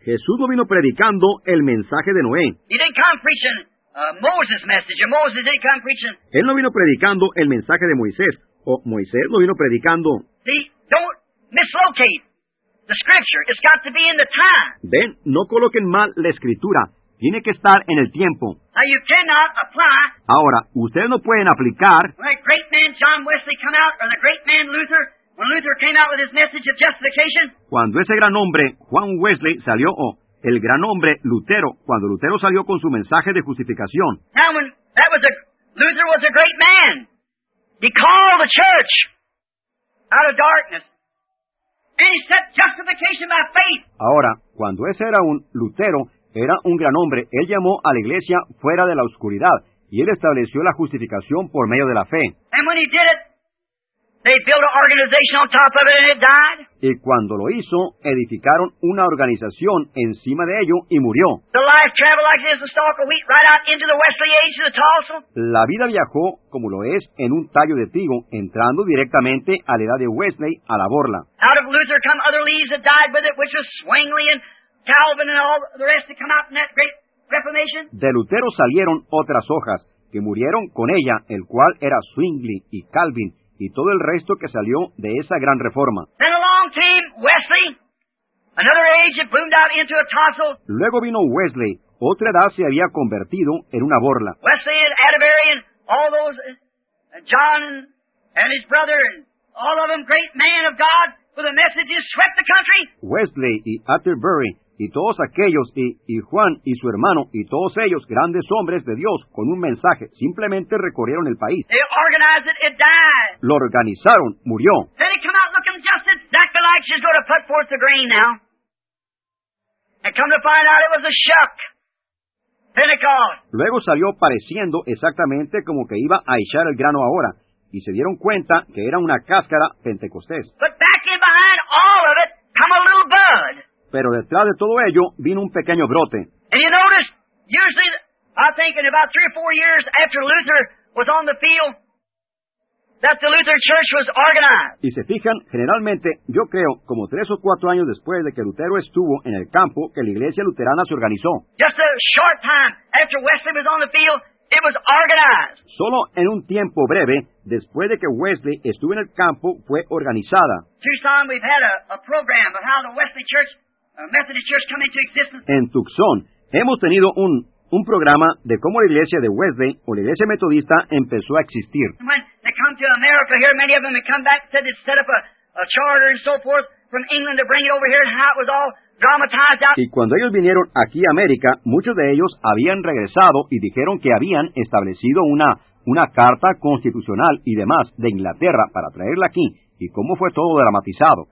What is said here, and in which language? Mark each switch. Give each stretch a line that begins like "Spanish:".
Spanish: Jesús no vino predicando el mensaje de Noé.
English: He didn't come preaching Moses' message. Or Moses didn't come preaching.
Spanish: Él no vino predicando el mensaje de Moisés. O Moisés no vino predicando.
English: See, don't mislocate. The scripture, it's got to be in the time.
Spanish: Ven, no coloquen mal la escritura. Tiene que estar en el tiempo.
English: Now you cannot apply.
Spanish: Ahora, ustedes no pueden aplicar.
English: When the great man John Wesley came out, or the great man Luther, when Luther came out with his message of justification.
Spanish: Cuando ese gran hombre, Juan Wesley, salió, o el gran hombre, Lutero, cuando Lutero salió con su mensaje de justificación.
English: Now when that was Luther was a great man. He called the church out of darkness. And he set justification by faith.
Spanish: Ahora, cuando ese era un Lutero, era un gran hombre, él llamó a la iglesia fuera de la oscuridad, y él estableció la justificación por medio de la fe.
English: And when he did it, they built an organization on top of it and it died.
Spanish: Y cuando lo hizo, edificaron una organización encima de ello y murió.
English: The life traveled like it is a stalk of wheat right out into the Wesley age of the tassel.
Spanish: La vida viajó como lo es en un tallo de trigo, entrando directamente a la edad de Wesley, a la borla.
English: Out of Luther come other leaves that died with it, which was Zwingli and Calvin and all the rest that come out in that great reformation.
Spanish: De Lutero salieron otras hojas que murieron con ella, el cual era Zwingli y Calvin, y todo el resto que salió de esa gran reforma.
English: Then along came Wesley, another age that boomed out into a tassel.
Spanish: Luego vino Wesley, otra edad se había convertido en una borla.
English: Wesley and Atterbury and all those, John and his brother, and all of them great men of God, for the messages swept the country.
Spanish: Wesley y Atterbury y todos aquellos, y Juan y su hermano, y todos ellos grandes hombres de Dios con un mensaje, simplemente recorrieron el país.
English: They organized it, it died.
Spanish: Lo organizaron, murió.
English: Then he come out looking just exactly like she's going to put forth the grain now. And come to find out it was a shuck. Pentecost.
Spanish: Luego salió pareciendo exactamente como que iba a echar el grano ahora, y se dieron cuenta que era una cáscara pentecostés.
English: But back in behind all of it, come a little bud.
Spanish: Pero detrás de todo ello vino un pequeño brote.
English: And you notice, usually, I think in about 3 or 4 years after Luther was on the field, that the Lutheran church was organized.
Spanish: Y se fijan, generalmente, yo creo, como 3 o 4 años después de que Lutero estuvo en el campo, que la iglesia luterana se organizó.
English: Just a short time after Wesley was on the field, it was organized.
Spanish: Solo en un tiempo breve, después de que Wesley estuvo en el campo, fue organizada.
English: Tucson, we've had a program of how the Wesley Church, a Methodist church coming to existence.
Spanish: En Tucson, hemos tenido un un programa de cómo la iglesia de Wesley o la iglesia metodista empezó a existir.
English: When they come to America here, many of them have come back said they set up a charter and so forth from England to bring it over here and how it was all dramatized out.
Spanish: Y cuando ellos vinieron aquí a América, muchos de ellos habían regresado y dijeron que habían establecido una carta constitucional y demás de Inglaterra para traerla aquí. ¿Y cómo fue todo dramatizado?